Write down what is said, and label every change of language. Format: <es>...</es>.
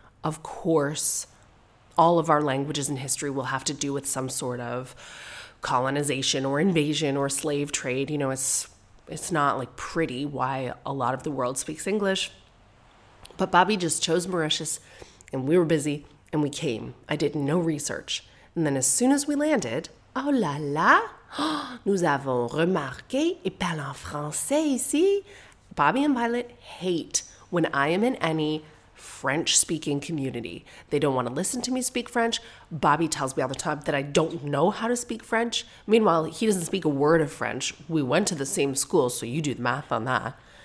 <en>Of course, all of our languages and history will have to do with some sort of colonization or invasion or slave trade. You know, it's not like pretty why a lot of the world speaks English, but Bobby just chose Mauritius and we were busy and we came. I did no research. And then as soon as we landed,</en> <fr>oh la la, nous avons remarqué et parlé en français ici.</fr> <en>Bobby and Violet hate when I am in any French-speaking community. They don't want to listen to me speak French. Bobby tells me all the time that I don't know how to speak French. Meanwhile, he doesn't speak a word of French. We went to the same school, so you do the math on that.</en>